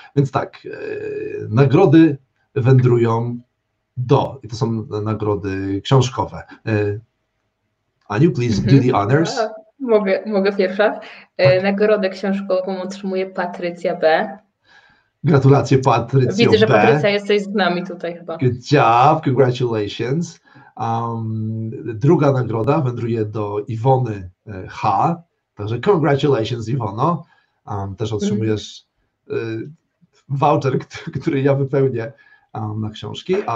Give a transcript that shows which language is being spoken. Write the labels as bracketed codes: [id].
[pl] Więc tak, nagrody wędrują do, i to są nagrody książkowe. [en] Aniu, please do the honors. [pl] Mogę pierwsza. Nagrodę książkową otrzymuje Patrycja B. Gratulacje, Patrycjo B. Widzę, że Patrycja jesteś z nami tutaj chyba. [en] Good job, congratulations. [pl] Druga nagroda wędruje do Iwony H. Także congratulations, Iwono. Też otrzymujesz voucher, który ja wypełnię na książki.